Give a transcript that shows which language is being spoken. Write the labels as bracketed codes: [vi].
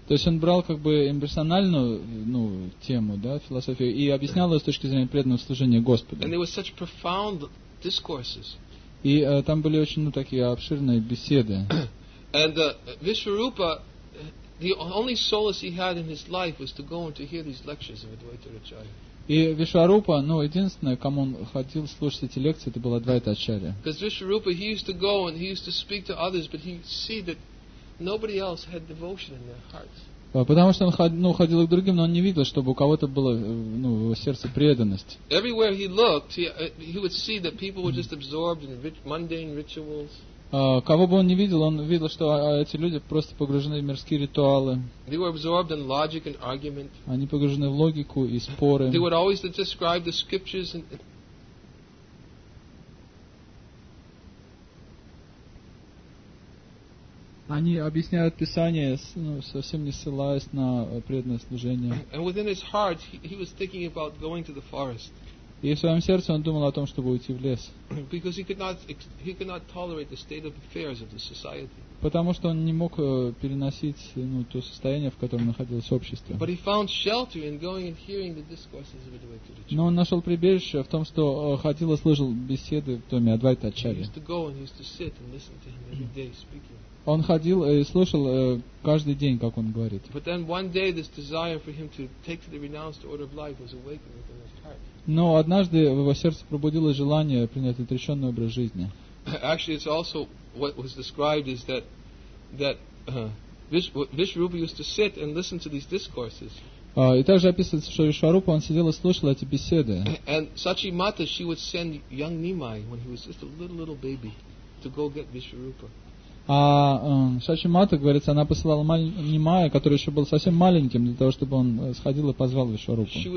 [ru] То есть он брал как бы имперсональную, ну, тему, да, философию, и объяснял ее с точки зрения преданного служения Господу. [en] And there were such profound discourses. [ru] И там были очень, ну, такие обширные беседы. [en] And Vishwarupa, the only solace he had in his life was to go and to hear these lectures of Advaita Acharya. [ru] И Вишварупа, ну, единственное, кому он ходил слушать эти лекции, это было Адвайта Ачарья. [en] Because Vishwarupa, he used to go and he used to speak to others, but he see that Nobody else had devotion in their hearts. [ru] Потому что он ходил к другим, но он не видел, чтобы у кого-то было в его сердце преданность. [en] Everywhere he looked, he would see that people were just absorbed in mundane rituals. [ru] Кого бы он не видел, он видел, что эти люди просто погружены в мирские ритуалы. [en] They were absorbed in logic and argument. [ru] Они погружены в логику и споры. [en] They would always describe the scriptures and [ru] они объясняют Писание, совсем не ссылаясь на преданное служение. [en] And within his heart, he was thinking about going to the forest. [ru] И в своем сердце он думал о том, чтобы уйти в лес. [en] Because he could not tolerate the state of affairs of the society. [ru] Потому что он не мог переносить то состояние, в котором находилось общество. [en] But he found shelter in going and hearing the discourses of Advaita Acharya. [ru] Но он нашел прибежище в том, что ходил и слышал беседы в доме Адвайта Ачарьи. [en] He used to go and he used to sit and listen to him every day speaking. [ru] Он ходил и слушал каждый день, как он говорит. [en] But then one day this desire for him to take to the renounced order of life was awakened within his heart. [ru] Но однажды в его сердце пробудилось желание принять отреченный образ жизни. [en] Actually, it's also what was described is that Vishwarupa used to sit and listen to these discourses. [ru] И также описывается, что Вишварупа он сидел и слушал эти беседы. [en] And Sachi Mata, she would send young Nimai when he was just a little baby to go get Vishwarupa. [ru] А Сачи Мата, говорится, она посылала Нимая, который еще был совсем маленьким, для того, чтобы он сходил и позвал Вишварупу.